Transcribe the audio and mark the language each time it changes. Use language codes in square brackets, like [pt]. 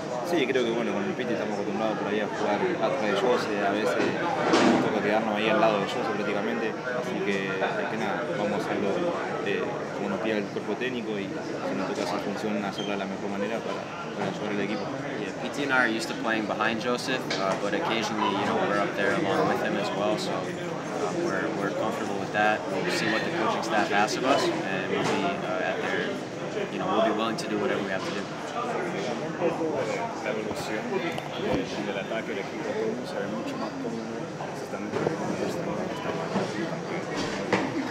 [es] Sí, creo que bueno, con el Pitti estamos acostumbrados por ahí a jugar atrás de Jose, a veces nos toca quedarnos ahí al lado de Jose prácticamente, así que nada, vamos a hacerlo como nos pide el cuerpo técnico y si nos toca hacer función, hacerla de la mejor manera para ayudar al equipo. [en] Yeah, Pitti and I are used to playing behind Joseph, but occasionally, you know, we're up there along with him as well, so we're comfortable with that. We'll see what the coaching staff asks of us, and we'll be at their, you know, we'll be willing to do whatever we have to do. [es] La evolución del ataque del equipo se ve mucho más cómodo, se están entrenando en esta parte.